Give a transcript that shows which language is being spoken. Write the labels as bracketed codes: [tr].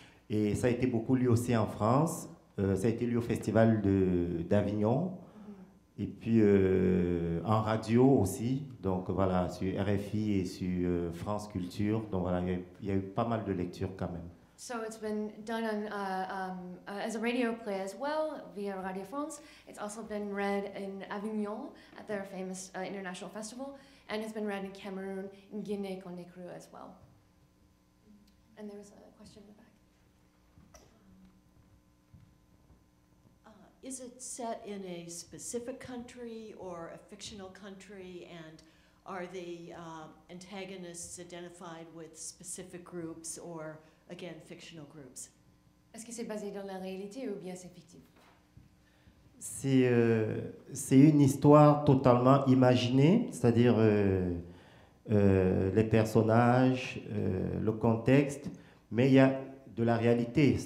[fr] Et ça a été beaucoup lu aussi en France. Ça a été lu au Festival d'Avignon. Et puis, en radio aussi, donc voilà, sur RFI et sur France Culture. Donc voilà, il y a eu pas mal de lectures quand même. [en] So it's been done on, as a radio play as well, via Radio France. It's also been read in Avignon, at their famous international festival. And it's been read in Cameroon, in Guinée-Conakry as well. And there was a question in the back. Is it set in a specific country or a fictional country? And are the antagonists identified with specific groups or, again, fictional groups? [fr] Est-ce que c'est basé dans la réalité ou bien c'est fictif? C'est une histoire totalement imaginée, c'est-à-dire les personnages, le contexte, mais il y a de la réalité.